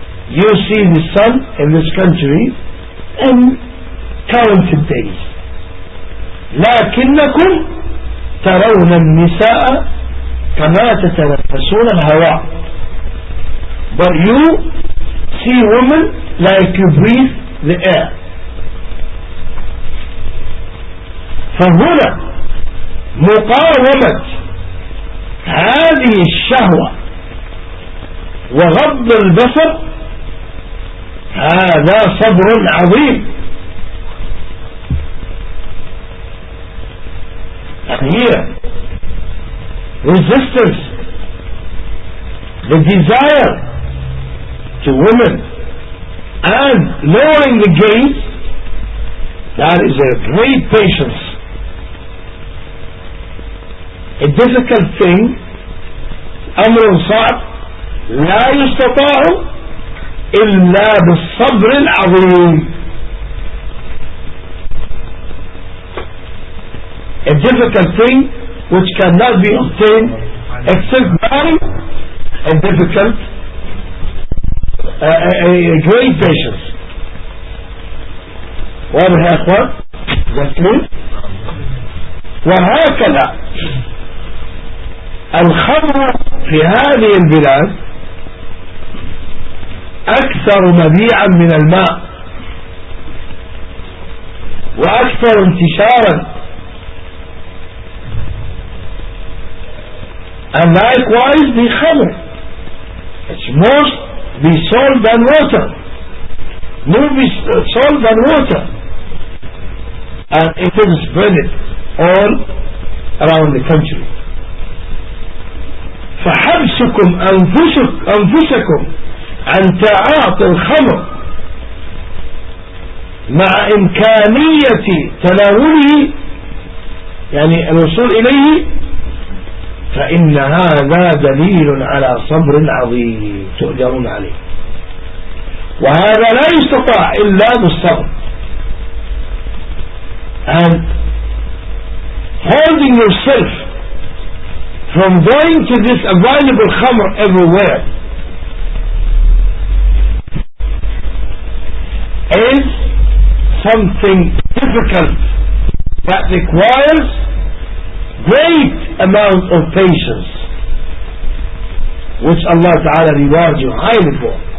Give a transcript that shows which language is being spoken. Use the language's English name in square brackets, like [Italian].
[English] You see the sun in this country in counted days. [Arabic] لكنكم ترون النساء كما تتنفسون الهواء. [English] But you see women like you breathe the air. [Arabic] فهنا مقاومة هذه الشهوة وغض البصر هذا صبر عظيم. [English] And here, resistance, the desire to women, and lowering the gaze, that is a great patience. A difficult thing, [Arabic] أمر صعب, لا يستطاع إلا بالصبر العظيم. [English] A difficult thing which cannot be obtained except by a difficult, a great patience. [Arabic] واضح يا اخوان؟ مفهوم؟ وهكذا الخمر في هذه البلاد اكثر مبيعا من الماء واكثر انتشارا. [English] And likewise the khamr, it's most be sold than water, more be sold than water, and it is spread all around the country. [Arabic] فحبسكم أنفسكم عن تعاطي الخمر مع إمكانية تناوله يعني الوصول إليه فإن هذا دليل على صبر عظيم تؤجرون عليه. وهذا لا يستطاع إلا بالصبر. [English] And holding yourself from going to this available khamr everywhere is something difficult that requires great amount of patience, which Allah Ta'ala rewards you highly for.